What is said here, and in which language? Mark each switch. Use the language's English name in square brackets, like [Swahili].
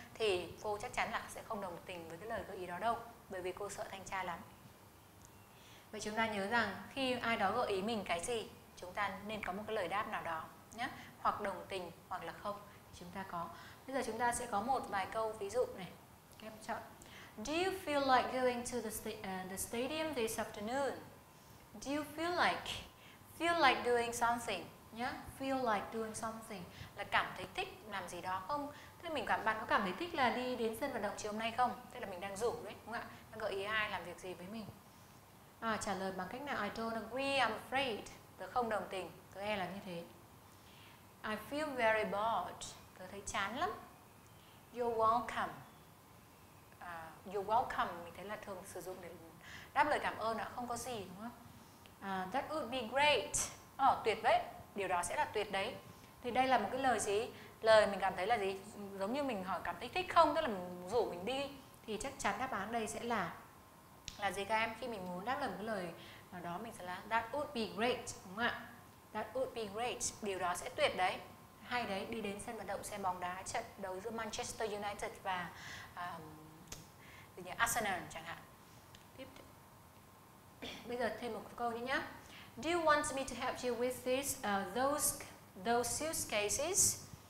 [Vietnamese] Thì cô chắc chắn là sẽ không đồng tình với cái lời gợi ý đó đâu, bởi vì cô sợ thanh tra lắm. Vậy chúng ta nhớ rằng khi ai đó gợi ý mình cái gì, chúng ta nên có một cái lời đáp nào đó nhé, hoặc đồng tình hoặc là không chúng ta có. Bây giờ chúng ta sẽ có một vài câu ví dụ này. Các em chọn. [English] Do you feel like going to the stadium this afternoon? Do you feel like doing something? Nhá, yeah. Feel like doing something [Vietnamese] là cảm thấy thích làm gì đó không? Thế mình cảm bạn có cảm thấy thích là đi đến sân vận động chiều hôm nay không? Thế là mình đang rủ đấy, đúng không ạ? Đang gợi ý ai làm việc gì với mình? Trả lời bằng cách nào? [English] I don't agree, I'm afraid. [Vietnamese] Tớ không đồng tình, tớ e là như thế. [English] I feel very bored. [Vietnamese] Tớ thấy chán lắm. [English] You're welcome. You're welcome, [Vietnamese] mình thấy là thường sử dụng để đáp lời cảm ơn ạ, không có gì, đúng không? [English] That would be great. [Vietnamese] Tuyệt đấy, điều đó sẽ là tuyệt đấy. Thì đây là một cái lời gì? Lời mình cảm thấy là gì? Giống như mình hỏi cảm thấy thích không, tức là mình rủ mình đi. Thì chắc chắn đáp án đây sẽ là gì các em? Khi mình muốn đáp lời một cái lời nào đó, mình sẽ là [English] that would be great, [Vietnamese] đúng không ạ? [English] That would be great, [Vietnamese] điều đó sẽ tuyệt đấy. Hay đấy, đi đến sân vận động xem bóng đá trận đấu giữa Manchester United và như Arsenal chẳng hạn. Bây giờ thêm một câu nữa nhé. [English] Do you want me to help you with this those suitcases?